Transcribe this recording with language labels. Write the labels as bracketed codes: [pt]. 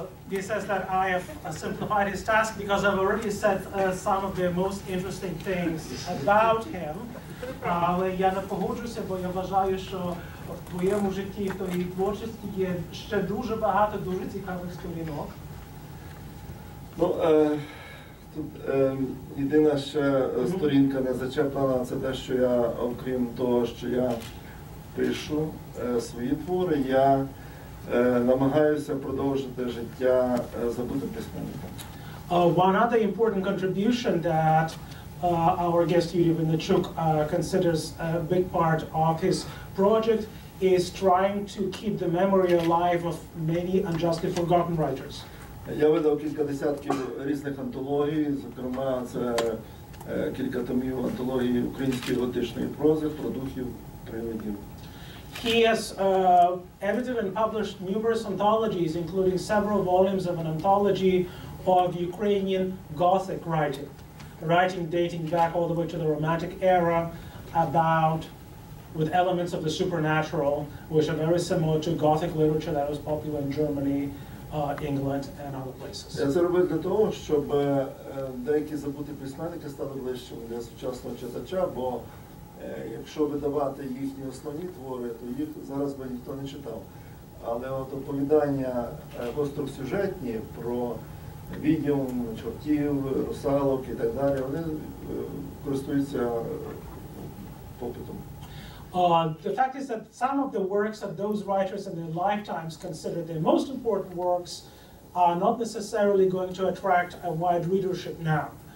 [en] He says that I have simplified his task because I've already said some of the most interesting things about him. [uk] Але я не погоджуся, бо я вважаю, що в твоєму житті, в твоїй творчості є ще дуже багато дуже цікавих сторінок. Ну, тут єдина ще сторінка не зачеплена, це те, що я, окрім того, що я пишу свої твори, я намагаюся продовжити життя забутим письменником. [en] One other important contribution that our guest Юрій Винничук considers a big part of his project is trying to keep the memory alive of many unjustly forgotten writers. [uk] Я видав кілька десятків різних антологій, зокрема це кілька томів антології української готичної прози про духів привидів. [en] He has edited and published numerous anthologies, including several volumes of an anthology of Ukrainian Gothic writing, writing dating back all the way to the Romantic era, about with elements of the supernatural, which are very similar to Gothic literature that was popular in Germany, England, and other places. [uk] Я це робив для того, щоб деякі забуті письменники стали ближчими для сучасного читача, бо якщо видавати їхні основні твори, то їх зараз би ніхто не читав. Але от оповідання гостросюжетні про відьом, чортів, русалок і так далі, вони користуються попитом. [en] The fact is that some of the works of those writers in their lifetimes considered their most important works are not necessarily going to attract a wide readership now.